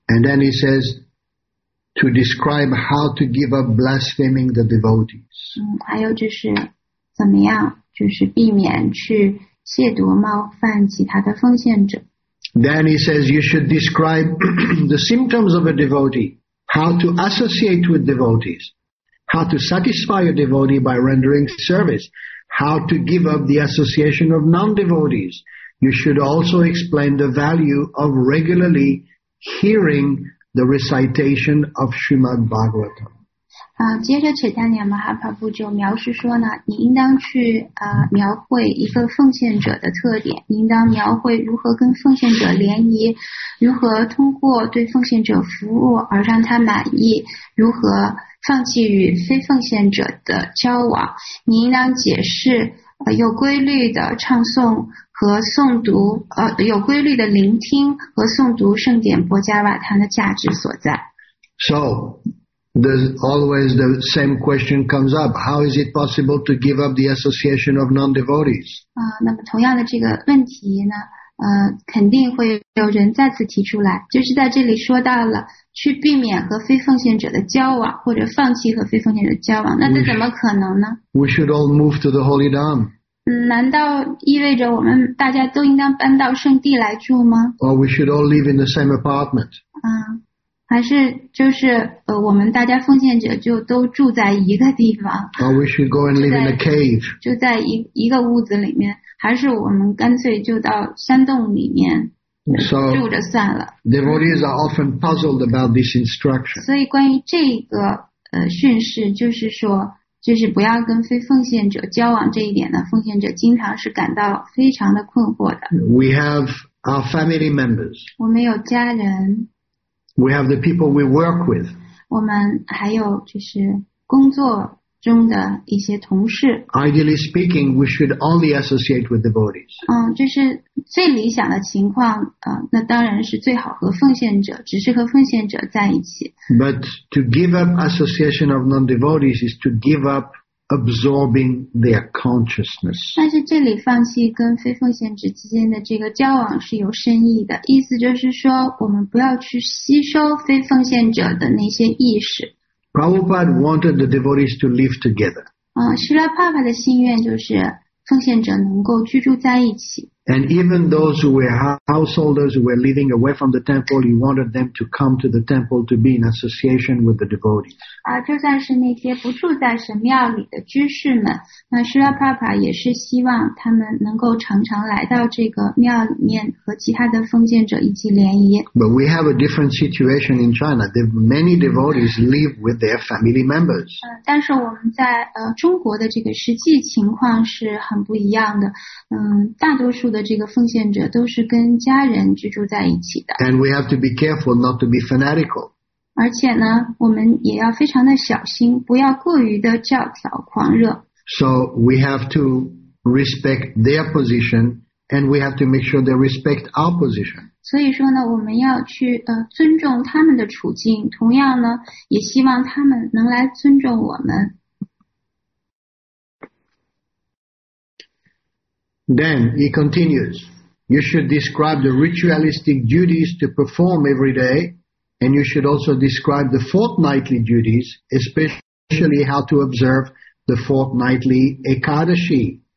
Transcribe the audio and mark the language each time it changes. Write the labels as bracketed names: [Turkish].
[English] And then he says to describe how to give up blaspheming the devotees. [Chinese] 还有就是怎么样，就是避免去亵渎冒犯其他的奉献者。 [English] Then he says you should describe the symptoms of a devotee, how to associate with devotees, how to satisfy a devotee by rendering service, how to give up the association of non-devotees. You should also explain the value of regularly hearing the recitation of Srimad Bhagavatam. [Chinese] 接着扯淡点嘛哈帕布就描述说呢，你应当去描绘一个奉献者的特点，你应当描绘如何跟奉献者联谊，如何通过对奉献者服务而让他满意，如何放弃与非奉献者的交往，你应当解释有规律的唱诵和诵读有规律的聆听和诵读圣典波加瓦坦的价值所在。 [English] SoThere's always the same question comes up. How is it possible to give up the association of non-devotees? [Chinese] 那么同样的这个问题呢，肯定会有人再次提出来，就是在这里说到了去避免和非奉献者的交往，或者放弃和非奉献者的交往，那这怎么可能呢？ [English] We should all move to the Holy Dham. [Chinese] 难道意味着我们大家都应当搬到圣地来住吗？ [English] Or we should all live in the same apartment. [Chinese] 还是就是我们大家奉献者就都住在一个地方。 [English] Or we should go and live in a cave. [Chinese] 就在一个屋子里面，还是我们干脆就到山洞里面住着算了。 [English] Devotees are often puzzled about this instruction. [Chinese] 所以关于这个训示，就是说，就是不要跟非奉献者交往这一点呢，奉献者经常是感到非常的困惑的。 [English] We have our family members. [Chinese] 我们有家人。 [English] We have the people we work with. [Chinese] 我们还有就是工作中的一些同事。 [English] Ideally speaking, we should only associate with devotees. [Chinese] 就是最理想的情况，那当然是最好和奉献者，只是和奉献者在一起。 [English] But to give up association of non-devotees is to give up absorbing their consciousness. [Chinese] 但是这里放弃跟非奉献者之间的这个交往是有深意的，意思就是说我们不要去吸收非奉献者的那些意识。 [English] Prabhupada wanted the devotees to live together. [Chinese] 希拉帕帕的心愿就是奉献者能够居住在一起。 [English] And even those who were householders who were living away from the temple, he wanted them to come to the temple to be in association with the devotees. [Chinese] 就算是那些不住在神庙里的居士们，那希拉帕帕也是希望他们能够常常来到这个庙里面和其他的奉献者一起联谊。 [English] But we have a different situation in China. Many devotees live with their family members. [Chinese] 但是我们在中国的这个实际情况是很不一样的。大多数的这个奉献者都是跟家人居住在一起的。 [English] And we have to be careful not to be fanatical. [Chinese] 而且呢，我们也要非常的小心，不要过于的教条狂热。 [English] So we have to respect their position, and we have to make sure they respect our position. [Chinese] 所以说呢，我们要去尊重他们的处境，同样呢，也希望他们能来尊重我们。 [English] Then he continues, you should describe the ritualistic duties to perform every day. And you should also describe the fortnightly duties, especially how to observe the fortnightly Ekadashi.